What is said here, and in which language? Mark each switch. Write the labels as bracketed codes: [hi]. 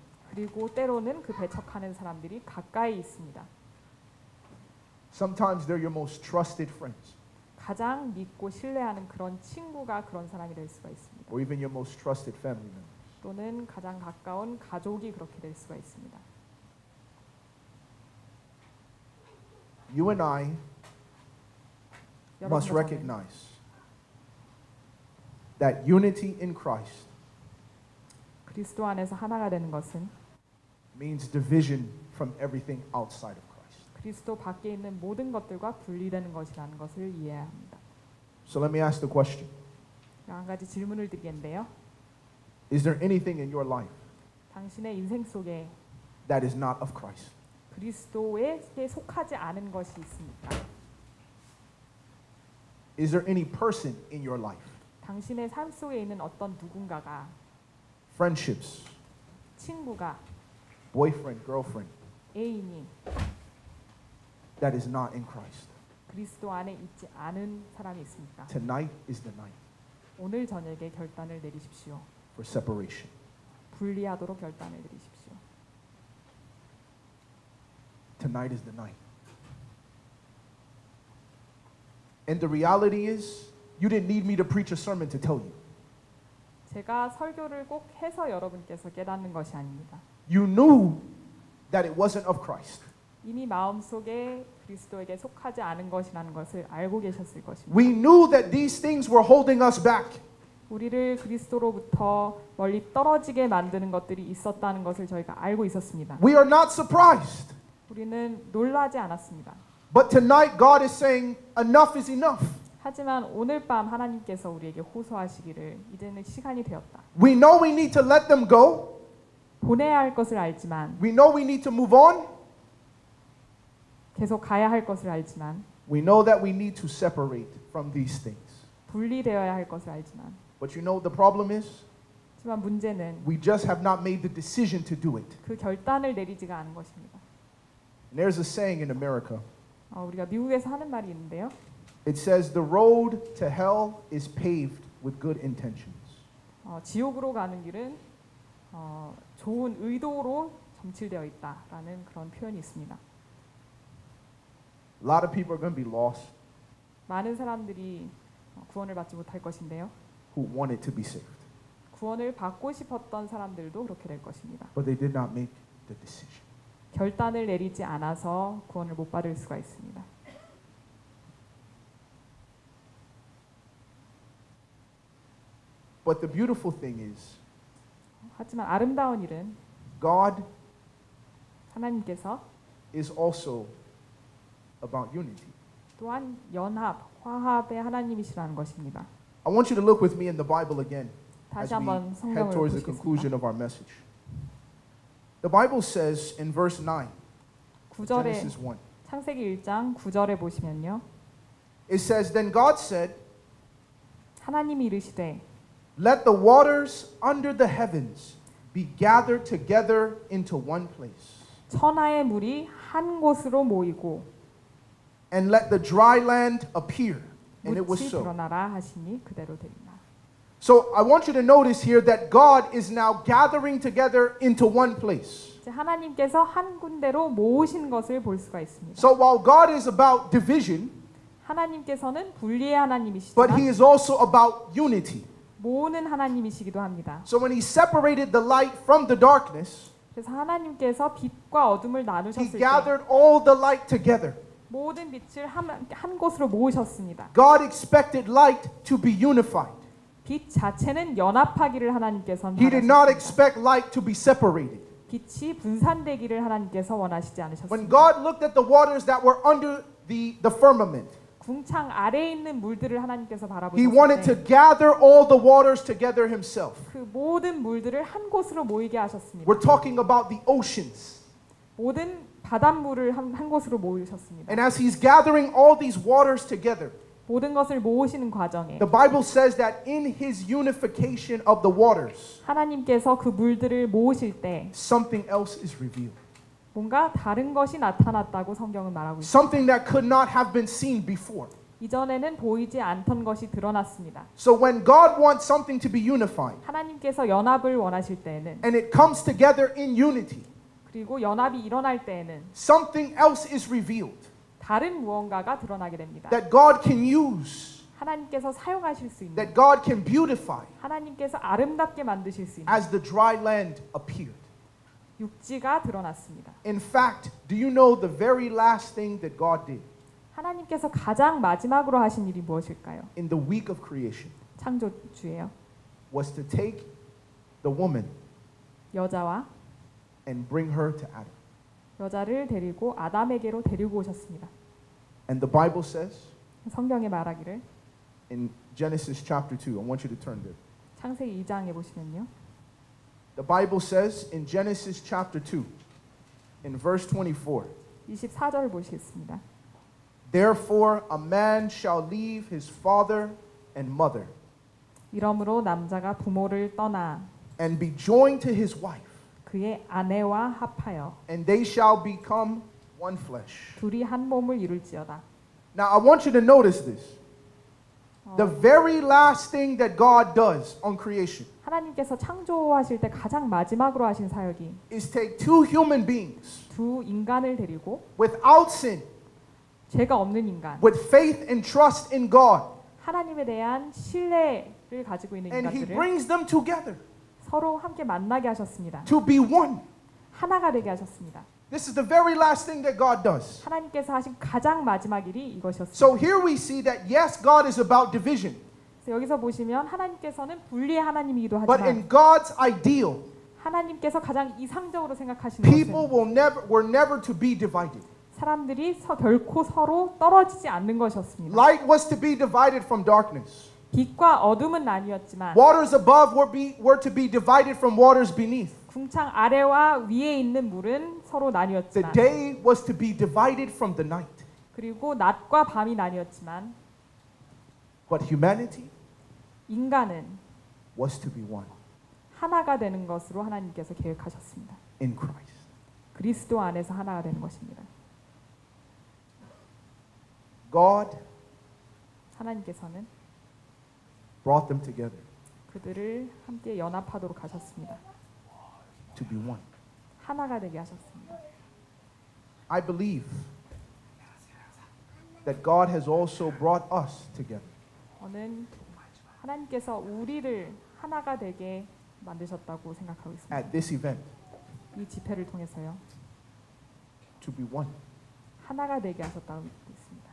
[ko] 그리고 때로는 그 배척하는 사람들이 가까이 있습니다. [en] Sometimes they're your most trusted friends. [ko] 가장 믿고 신뢰하는 그런 친구가 그런 사람이 될 수가 있습니다. [en] Or even your most trusted family member. [ko] 또는 가장 가까운 가족이 그렇게 될 수가 있습니다. [en] You and I must recognize that unity in Christ [ko] 그리스도 안에서 하나가 되는 것은 [en] means division from everything outside of Christ. [ko] 그리스도 밖에 있는 모든 것들과 분리되는 것이라는 것을 이해해야 합니다. [en] So let me ask the question. [ko] 한 가지 질문을 드리겠는데요. [en] Is there anything in your life [ko] 당신의 인생 속에 [en] that is not of Christ? [ko] 그리스도에 속하지 않은 것이 있습니까? [en] Is there any person in your life [ko] 당신의 삶 속에 있는 어떤 누군가가 [en] friendships [ko] 친구가 [en] boyfriend, girlfriend [ko] 애인이 [en] that is not in Christ [ko] 그리스도 안에 있지 않은 사람이 있습니까? [en] Tonight is the night [ko] 오늘 저녁에 결단을 내리십시오 [en] for separation [ko] 분리하도록 결단을 내리십시오 [en] Tonight is the night And the reality is You didn't need me to preach a sermon to tell you. [ko] 제가 설교를 꼭 해서 여러분께서 깨닫는 것이 아닙니다. [en] You knew that it wasn't of Christ. [ko] 이미 마음속에 그리스도에게 속하지 않은 것이라는 것을 알고 계셨을 것입니다. [en] We knew that these things were holding us back. [ko] 우리를 그리스도로부터 멀리 떨어지게 만드는 것들이 있었다는 것을 저희가 알고 있었습니다. [en] We are not surprised. [ko] 우리는 놀라지 않았습니다. [en] But tonight God is saying enough is enough. [ko] 하지만 오늘 밤 하나님께서 우리에게 호소하시기를 이제는 시간이 되었다. [en] We know we need to let them go. [ko] 보내야 할 것을 알지만 [en] We know we need to move on. [ko] 계속 가야 할 것을 알지만 [en] We know that we need to separate from these things. [ko] 분리되어야 할 것을 알지만 [en] But you know the problem is [ko] 하지만 문제는 [en] We just have not made the decision to do it. [ko] 그 결단을 내리지가 않은 것입니다. [en] And there's a saying in America. [ko] 우리가 미국에서 하는 말이 있는데요. [en] It says the road to hell is paved with good intentions. [ko] 지옥으로 가는 길은 좋은 의도로 점칠되어 있다라는 그런 표현이 있습니다. [en] A lot of people are going to be lost. [ko] 많은 사람들이 구원을 받지 못할 것인데요. [en] Who wanted to be saved. [ko] 구원을 받고 싶었던 사람들도 그렇게 될 것입니다. [en] But they did not make the decision. [ko] 결단을 내리지 않아서 구원을 못 받을 수가 있습니다. [en] But the beautiful thing is [ko] 하지만 아름다운 일은 [en] God [ko] 하나님께서 [en] is also about unity. [ko] 또한 연합, 화합의 하나님이시라는 것입니다. [en] I want you to look with me in the Bible again. [ko] 다시 한번 성경을 보시겠어요? [en] Head towards [ko] 보시겠습니다. [en] The conclusion of our message. The Bible says in verse 9. [ko] 9절에 [en] Genesis 1, [ko] 창세기 1장 9절에 보시면요. [en] It says then God said [ko] 하나님이 이르시되 [en] Let the waters under the heavens be gathered together into one place. [ko] 천하의 물이 한 곳으로 모이고 [en] And let the dry land appear. And it was so. [ko] 물이 드러나라 하시니 그대로 되니라. [en] So I want you to notice here that God is now gathering together into one place. [ko] 이제 하나님께서 한 군데로 모으신 것을 볼 수가 있습니다. [en] So while God is about division, [ko] 하나님께서는 분리의 하나님이시지만 [en] But he is also about unity. [ko] 모으는 하나님이시기도 합니다. [en] So when he separated the light from the darkness, [ko] 그래서 하나님께서 빛과 어둠을 나누셨을 때, [en] He gathered all the light together. [ko] 모든 빛을 한 곳으로 모으셨습니다. [en] God expected light to be unified. [ko] 빛 자체는 연합하기를 하나님께서는 [en] He did not expect light to be separated. [ko] 빛이 분산되기를 하나님께서 원하시지 않으셨습니다. [en] When God looked at the waters that were under the firmament, [ko] 궁창 아래에 있는 물들을 하나님께서 바라보시는데 [en] He wanted to gather all the waters together himself. [ko] 그 모든 물들을 한 곳으로 모이게 하셨습니다. [en] We're talking about the oceans. [ko] 모든 바닷물을 한 곳으로 모으셨습니다. [en] And as he's gathering all these waters together. [ko] 모든 것을 모으시는 과정에 [en] The Bible says that in his unification of the waters. [ko] 하나님께서 그 물들을 모으실 때 [en] something else is revealed. [ko] 뭔가 다른 것이 나타났다고 성경은 말하고 있습니다. [en] Something that could not have been seen before. [ko] 이전에는 보이지 않던 것이 드러났습니다. [en] So when God wants something to be unified. [ko] 하나님께서 연합을 원하실 때에는 [en] And it comes together in unity. [ko] 그리고 연합이 일어날 때에는 [en] Something else is revealed. [ko] 다른 무언가가 드러나게 됩니다. [en] That God can use. [ko] 하나님께서 사용하실 수 있는 [en] That God can beautify. [ko] 하나님께서 아름답게 만드실 수 있는 [en] As the dry land appeared. [ko] 육지가 드러났습니다. [en] In fact, do you know the very last thing that God did? [ko] 하나님께서 가장 마지막으로 하신 일이 무엇일까요? [en] In the week of creation. [ko] 창조주예요. [en] Was to take the woman. [ko] 여자와 [en] and bring her to Adam. [ko] 여자를 데리고 아담에게로 데리고 오셨습니다. [en] And the Bible says [ko] 성경에 말하기를 [en] In Genesis chapter 2, I want you to turn there. [ko] 창세기 2장에 보시면요. [en] The Bible says in Genesis chapter 2, in verse 24, [ko] 24절 보시겠습니다. [en] Therefore, a man shall leave his father and mother [ko] 이러므로 남자가 부모를 떠나 [en] and be joined to his wife [ko] 그의 아내와 합하여 [en] and they shall become one flesh [ko] 둘이 한 몸을 이룰지어다. [en] Now, I want you to notice this. The very last thing that God does on creation [ko] 하나님께서 창조하실 때 가장 마지막으로 하신 사역이 [en] is take two human beings [ko] 두 인간을 데리고 [en] without sin [ko] 죄가 없는 인간 [en] with faith and trust in God [ko] 하나님에 대한 신뢰를 가지고 있는 [en] And [ko] 인간들을 [en] he brings them together [ko] 서로 함께 만나게 하셨습니다. [en] To be one. [ko] 하나가 되게 하셨습니다. [en] This is the very last thing that God does. [ko] 하나님께서 하신 가장 마지막 일이 이것이었습니다. [en] So here we see that yes, God is about division. [ko] 여기서 보시면 하나님께서는 분리의 하나님이기도 하지만 [en] But in God's ideal, [ko] 하나님께서 가장 이상적으로 생각하시는 [en] people [ko] 것은 [en] People were never to be divided. [ko] 사람들이 결코 서로 떨어지지 않는 것이었습니다. [en] Light was to be divided from darkness. [ko] 빛과 어둠은 나뉘었지만 [en] Waters above were to be divided from waters beneath. [ko] 궁창 아래와 위에 있는 물은 서로 나뉘었지만 [en] The day was to be divided from the night. [ko] 그리고 낮과 밤이 나뉘었지만 [en] But humanity [ko] 인간은 [en] was to be one. [ko] 하나가 되는 것으로 하나님께서 계획하셨습니다. [en] In Christ. [ko] 그리스도 안에서 하나가 되는 것입니다. [en] God [ko] 하나님께서는 [en] brought them together. [ko] 그들을 함께 연합하도록 하셨습니다. [en] To be one. [ko] 하나가 되게 하셨습니다. [en] I believe that God has also brought us together. [ko] 저는 하나님께서 우리를 하나가 되게 만드셨다고 생각하고 있습니다. [en] At this event. [ko] 이 집회를 통해서요. [en] To be one. [ko] 하나가 되게 하셨다고 믿고 있습니다.